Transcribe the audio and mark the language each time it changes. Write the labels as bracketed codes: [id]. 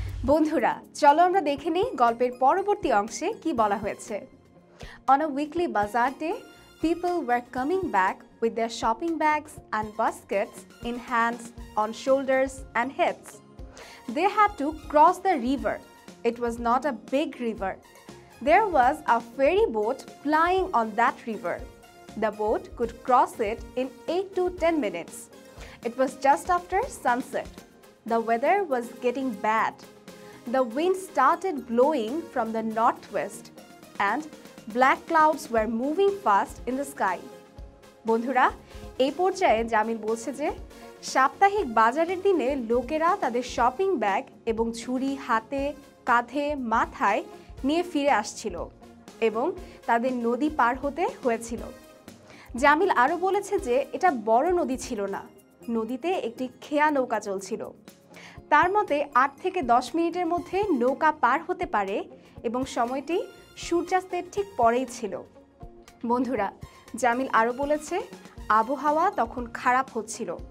[bn] বন্ধুরা, চলো আমরা দেখে নিই গল্পের পরবর্তী অংশে কি বলা হয়েছে। [en] On a weekly bazaar day, people were coming back with their shopping bags and baskets in hands, on shoulders and heads. They had to cross the river. It was not a big river. There was a ferry boat plying on that river. The boat could cross it in 8 to 10 minutes. It was just after sunset. The weather was getting bad. The wind started blowing from the northwest and black clouds were moving fast in the sky. [bn] Bondhura, ei porjaye Jamil bolche je saptahik bazarer dine lokera tader shopping bag ebong churi hate kadhe mathay নিয়ে ফিরে আসছিল এবং তাদের নদী পার হতে হয়েছিল। জামিল আরও বলেছে যে এটা বড় নদী ছিল না, নদীতে একটি খেয়া নৌকা চলছিল। তার মতে 8 থেকে 10 মিনিটের মধ্যে নৌকা পার হতে পারে এবং সময়টি সূর্যাস্তের ঠিক পরেই ছিল। বন্ধুরা, জামিল আরও বলেছে আবহাওয়া তখন খারাপ হচ্ছিল।